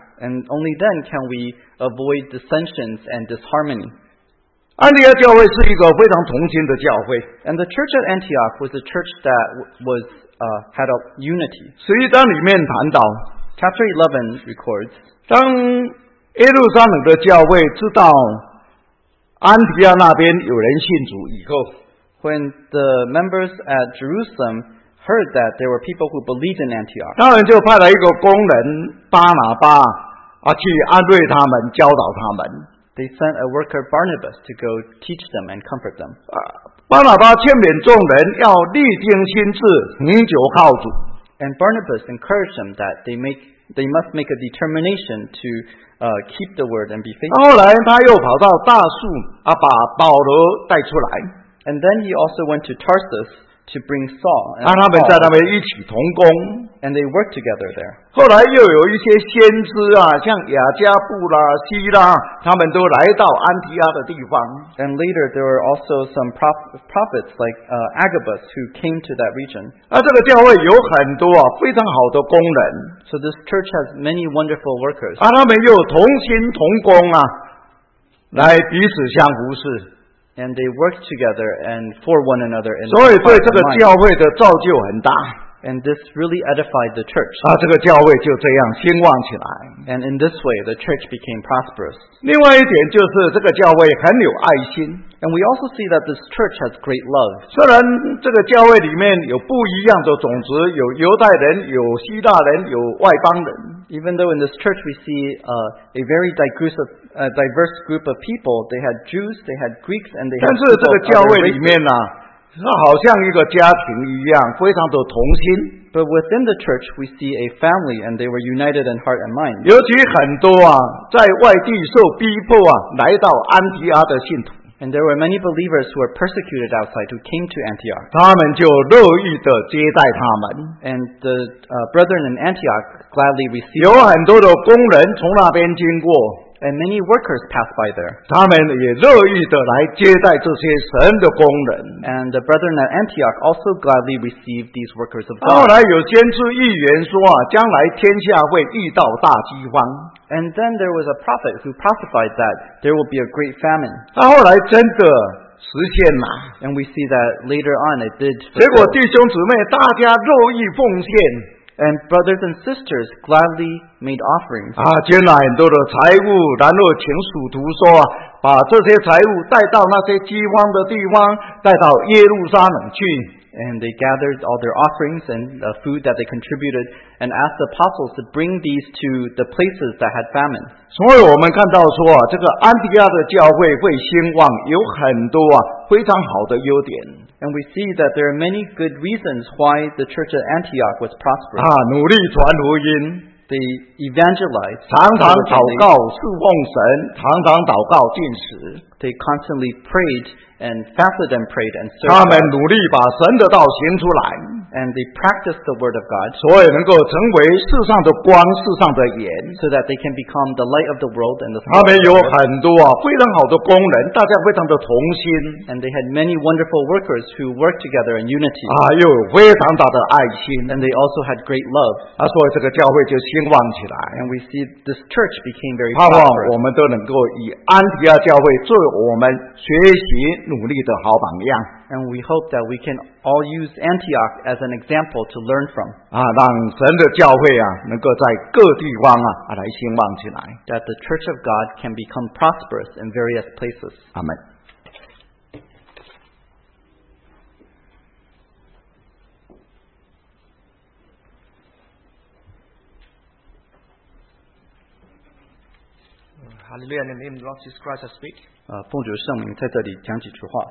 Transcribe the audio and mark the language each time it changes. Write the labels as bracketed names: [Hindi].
[English] and only then can we avoid dissensions and disharmony. [Chinese] 安提阿教会是一个非常同心的教会, [English] and the church at Antioch was a church that was had a unity. [Chinese] 11章里面谈到, [English] chapter 11 records, [Chinese] 当耶路撒冷的教会知道安提阿那边有人信主以后, [English] when the members at Jerusalem heard that there were people who believed in Antioch, [Chinese] 当然就派了一个工人巴拿巴, 去安慰他们, 教导他们, [English] they sent a worker Barnabas to go teach them and comfort them. [Chinese] 巴拿巴劝勉众人, 要立定心志, 恒久靠主, [English] and Barnabas encouraged them that they must make a determination to keep the word and be faithful. [Chinese] 后来他又跑到大树, 把保罗带出来, [English] and then he also went to Tarsus to bring Saul and [Chinese] Paul, 他们在那边一起同工, [English] and they worked together there. [Chinese] 后来又有一些先知啊, 像亚加布啦, 希拉, 他们都来到安提阿的地方, [English] and later there were also some prophets like Agabus who came to that region. [Chinese] 这个教会有很多啊, 非常好的工人, [English] so this church has many wonderful workers. [Chinese] 他们又同心同工啊, 来彼此相服侍, [English] and they work together and for one another in the church. [Chinese] 所以对这个教会的造就很大, [English] and this really edified the church. [Chinese] 这个教会就这样兴旺起来, [English] and in this way the church became prosperous. [Chinese] 另外一点就是这个教会很有爱心, [English] and we also see that this church has great love. [Chinese] 虽然这个教会里面有不一样的种族, 有犹太人, 有希腊人, 有外邦人, [English] even though in this church we see a very diverse group of people, they had Jews, they had Greeks, and they had people of other races. [Chinese] 但是这个教会里面啊, 好像一个家庭一样, 非常的同心, [English] but within the church, we see a family, and they were united in heart and mind. [Chinese] 尤其很多啊, 在外地受逼迫啊, 来到安提阿的信徒, [English] and there were many believers who were persecuted outside who came to Antioch. [Chinese] 他们就乐意地接待他们, [English] and the brethren in Antioch gladly received [Chinese] 有很多的工人从那边经过, [English] and many workers passed by there. [Chinese] 他们也乐意地来接待这些神的工人, [English] and the brethren at Antioch also gladly received these workers of God. [Chinese] 后来有先知预言说啊, 将来天下会遇到大饥荒, [English] and then there was a prophet who prophesied that there will be a great famine. [Chinese] 他后来真的实现嘛, [English] and we see that later on it did fulfill. [Chinese] 结果弟兄姊妹大家乐意奉献, [English] And brothers and sisters gladly made offerings. [Chinese] 啊, 捐了很多的财物, 然后请属徒说, 把这些财物带到那些饥荒的地方, 带到耶路撒冷去。 [English] And they gathered all their offerings and the food that they contributed and asked the apostles to bring these to the places that had famine. [Chinese] 所以我们看到说, 这个安提阿的教会会兴旺, 有很多啊, 非常好的优点。 [English] And we see that there are many good reasons why the church at Antioch was prosperous. [Chinese] 啊, 努力传福音, [English] they evangelized, [Chinese] 常常祷告, 侍奉神, 常常祷告进食, [English] they constantly prayed and fasted and prayed and served. [Chinese] 他们努力把神的道行出来, [English] and they practiced the word of God. [Chinese] 所以能够成为世上的光, 世上的盐, [English] so that they can become the light of the world and the salt. [Chinese] 他们有很多啊, 非常好的工人, 大家非常的同心, [English] and they had many wonderful workers who worked together in unity. [Chinese] 啊, 又有非常大的爱心, [English] and they also had great love. [Chinese] 啊, 所以这个教会就兴旺起来, [English] and we see this church became very prosperous. [Chinese] 盼望我们都能够以安提阿教会做我们学习 努力的好榜样, [English] and we hope that we can all use Antioch as an example to learn from. [Chinese] 啊, 让神的教会啊, 能够在各地方啊, 啊, 来兴旺起来, [English] that the Church of God can become prosperous in various places. Amen. Hallelujah, in the name of Lord Jesus Christ, I speak. [Chinese] 奉主圣名在这里讲几句话。